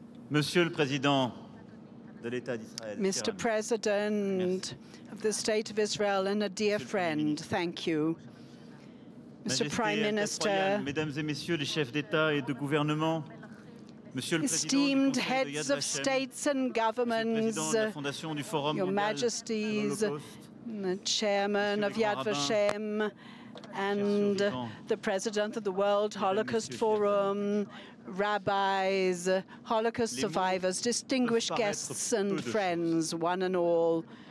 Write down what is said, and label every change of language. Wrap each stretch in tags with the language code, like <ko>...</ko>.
<fr>Monsieur le Président de l'État d'Israël.</fr> <en>Mr. President. Merci. The State of Israel and a dear friend, thank you. Mr. Prime Minister,</en> <fr>Mesdames et Messieurs les chefs d'État et de gouvernement, Monsieur le Président,</fr> <en>esteemed heads of states and governments, Your Majesties, the Chairman of Yad Vashem, and the President of the World Holocaust Forum, rabbis, Holocaust survivors, distinguished guests and friends, one and all.</en>